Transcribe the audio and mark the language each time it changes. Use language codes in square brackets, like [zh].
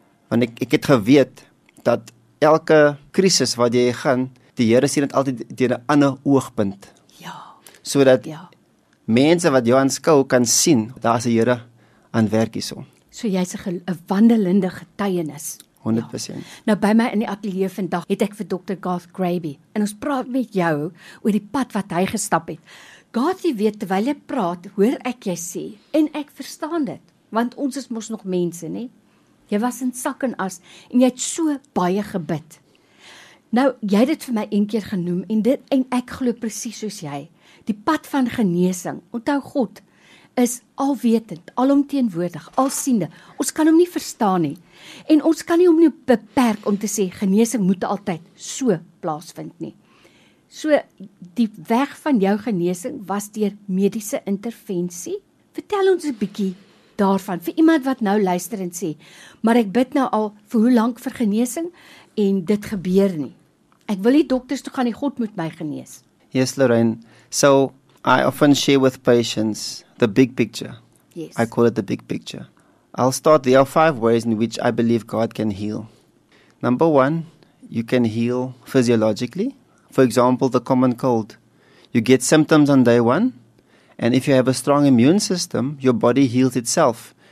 [af] Want ek het geweet, dat elke krisis wat jy gaan, die Here sien het altyd deur een ander oogpunt. Ja. So dat, mense wat jou aanskou kan sien, daar is die Here aan werk hierso. So jy is een wandelende getuienis. 100%. Ja. Nou by my in die atelier vandag het ek vir Dr. Garth Graby, en ons praat met jou oor die pad wat hy gestap het. Garth, jy weet, terwyl jy praat, hoor ek jy sê, en ek verstaan dit, want ons is mos nog mense, nie? Jy was in sak en as, en jy het so baie gebid. Nou, jy het dit vir my een keer genoem, en dit, en ek glo precies soos jy, die pad van genesing, onthou God, is alwetend, alomteenwoordig, alsiende. Ons kan hom nie verstaan nie. En ons kan nie hom nie beperk om te sê, genesing moet altyd so plaasvind nie. So, die weg van jou genesing was deur mediese interventie. Vertel ons 'n bietjie daarvan, vir iemand wat nou luister en sê, maar ek bid nou al vir hoe lank vir genesing, en dit gebeur nie. Ek wil die dokters toe gaan, die God moet my genees. [en] Yes, Lorraine. So, I often share with patients the big picture. Yes. I call it the big picture. I'll start, there are 5 ways in which I believe God can heal. Number 1, you can heal physiologically. For example, the common cold. You get symptoms on day 1, and if you have a strong immune system, your body heals itself.